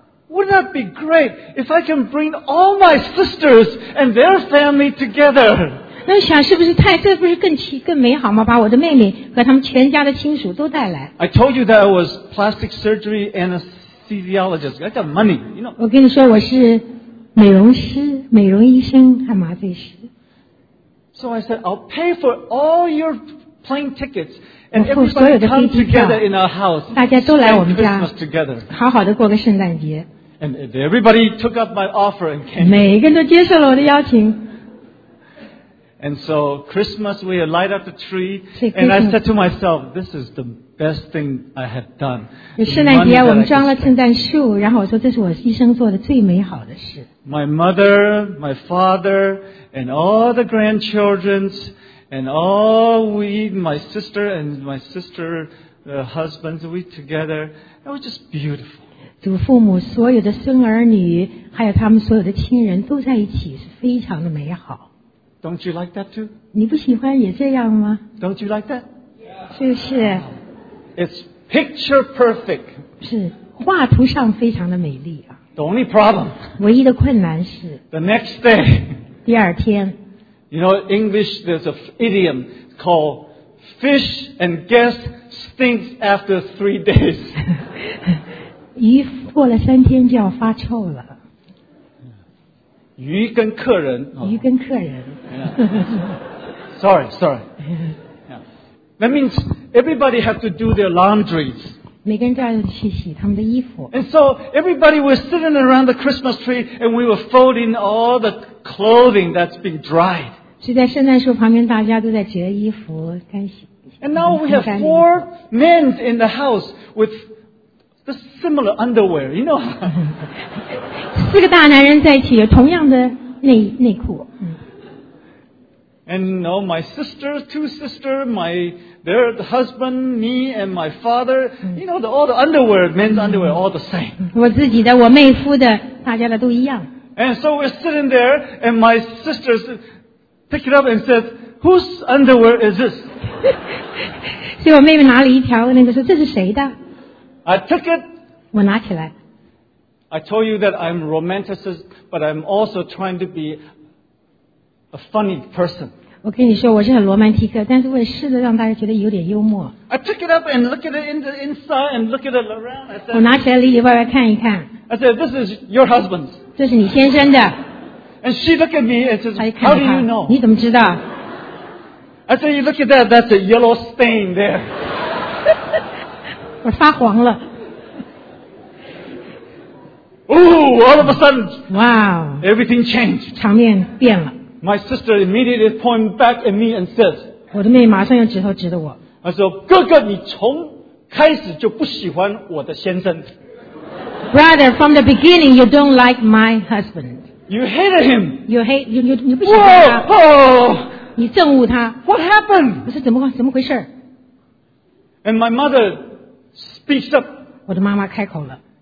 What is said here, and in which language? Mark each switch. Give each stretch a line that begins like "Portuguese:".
English: Wouldn't that be great if I can bring all my sisters and their family together?
Chinese: 那想是不是太这不是更奇更美好吗？把我的妹妹和他们全家的亲属都带来。
English: I told you that I was plastic surgery anesthesiologist. I got money, you know.
Chinese: 我跟你说，我是美容师、美容医生和麻醉师。
English: So I said, I'll pay for all your plane tickets and everybody come together in our house.
Chinese: 大家都来我们家，
English: Christmas together.
Chinese: 好好的过个圣诞节。
English: And everybody took up my offer and came.
Chinese: 每个人都接受了我的邀请。
English: And so Christmas, we light up the tree, and I said to myself, "This is the best thing I have done."
Chinese: 圣诞节我们装了圣诞树，然后我说这是我一生做的最美好的事。
English: My mother, my father, and all the grandchildren, and all we, my sister and my sister, husbands, we together. It was just beautiful.
Chinese: 祖父母所有的孙儿女，还有他们所有的亲人都在一起，是非常的美好。
English: Don't you like that too?
Chinese: 你不喜欢也这样吗？
English: Don't you like that?
Chinese: 是不是？
English: It's picture perfect.
Chinese: 是，画图上非常的美丽啊。
English: The only problem.
Chinese: 唯一的困难是。
English: The next day.
Chinese: 第二天。
English: You know, English, there's an idiom called fish and guest stinks after 3 days.
Chinese: 鱼过了三天就要发臭了。鱼跟客人，鱼跟客人。
English: Sorry. That means everybody has to do their laundries.
Chinese: 每个人都要去洗他们的衣服。
English: And so everybody was sitting around the Christmas tree, and we were folding all the clothing that's been dried.
Chinese: 所以在圣诞树旁边，大家都在折衣服、干洗。
English: And now we have 4 men in the house with the similar underwear, you know.
Chinese: 四个大男人在一起，有同样的内裤。
English: And no, my sisters, two sisters, my their husband, me and my father, you know, all the underwear, men's underwear, all the same.
Chinese: 我自己的，我妹夫的，大家的都一样。
English: And so we're sitting there, and my sisters pick it up and says, "Whose underwear is this?"
Chinese: 所以我妹妹拿了一条，那个说这是谁的
English: ？I took it.
Chinese: 我拿起来。
English: I told you that I'm romanticist, but I'm also trying to be a funny person.
Chinese: 我跟你说，我是很罗曼蒂克，但是我试着让大家觉得有点幽默。
English: I took it up and look at it in the inside and look at it around.
Chinese: 我拿起来里里外外看一看。
English: I said, "This is your husband's."
Chinese: 这是你先生的。
English: And she looked at me and says, "How do you know?"
Chinese: 你怎么知道？
English: I said, "You look at that. That's a yellow stain there."
Chinese: 我发黄了。
English: Ooh, all of a sudden, wow, everything changed.
Chinese: 场面变了。
English: My sister immediately pointed back at me and says,
Chinese: 我的妹马上用指头指着我。她说，哥哥，你从开始就不喜欢我的先生。
English: Brother, from the beginning, you don't like my husband. You hated him. You
Chinese: 不喜欢他。你憎恶他。
English: What happened?
Chinese: 我说怎么回事？
English: And my mother speaks up.
Chinese: 我的妈妈开口了。